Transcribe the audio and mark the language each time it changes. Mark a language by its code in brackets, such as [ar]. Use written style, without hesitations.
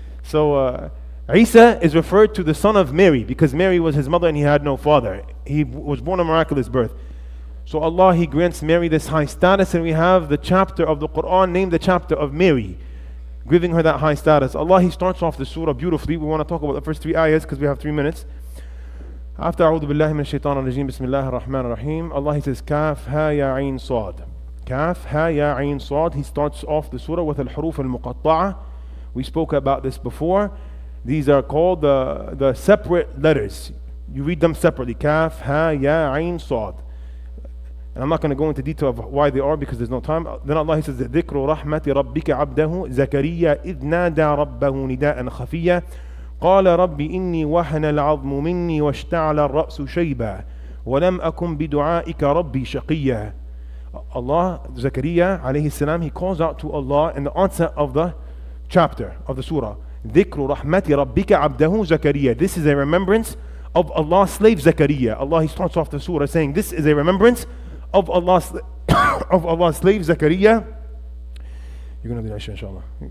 [en] So Isa is referred to the son of Mary because Mary was his mother and he had no father. He was born a miraculous birth. So Allah, He grants Mary this high status, and we have the chapter of the Quran named the chapter of Mary, giving her that high status. Allah, He starts off the surah beautifully. We want to talk about the first three ayahs because we have 3 minutes. [ar] After أعوذ بالله من الشيطان الرجيم بسم الله الرحمن الرحيم, [en] Allah, He says [ar] كاف ها يا عين صاد. [en] Kaf, ha, ya, ayn, sad. He starts off the surah with al-huruf al-muqatta'a. We spoke about this before. These are called the separate letters. You read them separately. Kaf, ha, ya, ayn, sad. And I'm not going to go into detail of why they are because there's no time. Then Allah, He says, [ar] ذِكْرُ رَحْمَةِ رَبِّكَ عَبْدَهُ زَكَرِيَّا إِذْ نَادَى رَبَّهُ نِدَاءً خَفِيًّا قَالَ رَبِّ إِنِّي وَهَنَ الْعَظْمُ مِنِّي وَاشْتَعَلَ الرَّأْسُ شَيْبًا وَلَمْ أَكُن بِدُعَائِكَ رَبِّي شَقِيًّا. [en] Allah, Zakaria alayhi salam, he calls out to Allah in the onset of the chapter of the surah. [ar] ذِكْرُ رَحْمَةِ رَبِّكَ عَبْدَهُ زَكَرِيَّا. [en] This is a remembrance of Allah's slave Zakaria. Allah, He starts off the surah saying, this is a remembrance of Allah's of Allah's slave Zakaria. You're going to do that, inshallah.